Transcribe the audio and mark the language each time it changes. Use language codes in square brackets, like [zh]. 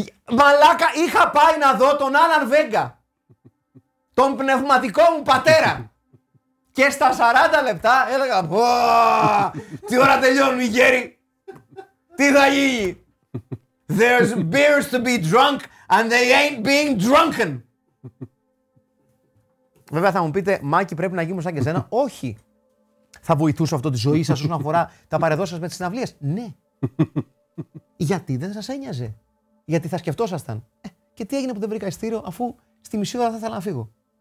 [el] Μαλάκα, είχα πάει να δω τον Άλαν Βέγκα, τον πνευματικό μου πατέρα. Και στα 40 λεπτά έλεγα, τι ώρα τελειώνουν οι γέροι, τι θα γίνει. [en] There's beers to be drunk and they ain't being drunken. [el] Βέβαια θα μου πείτε, Μάκη πρέπει να γίνουμε σαν και σένα. Όχι. Θα βοηθούσε αυτό τη ζωή σας όσον αφορά τα παρεδώσεις με τις συναυλίες. Ναι. Γιατί δεν σας ένοιαζε. Γιατί θα σκεφτόσασταν. Και τι έγινε που δεν βρήκα εισιτήριο αφού στη μισή ώρα θα ήθελα να φύγω.